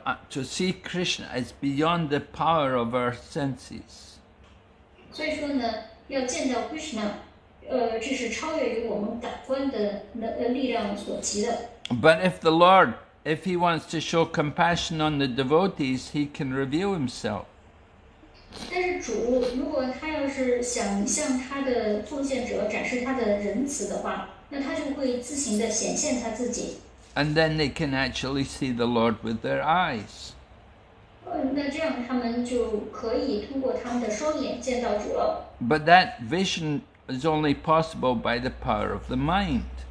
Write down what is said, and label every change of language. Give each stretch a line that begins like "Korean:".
English: to see Krishna is beyond the power of our senses.
Chinese: 所以说呢,要见到Krishna,这是超越于我们感官的力量所及的。
English: But if the Lord, if he wants to show compassion on the devotees, he can reveal himself.
Chinese: 但是主如果他要是想向他的奉献者展示他的仁慈的话，那他就会自行的显现他自己。
English: And then they can actually see the Lord with their eyes.
Chinese: 那这样他们就可以通过他们的双眼见到主了。
English: But that vision is only possible by the power of the mind.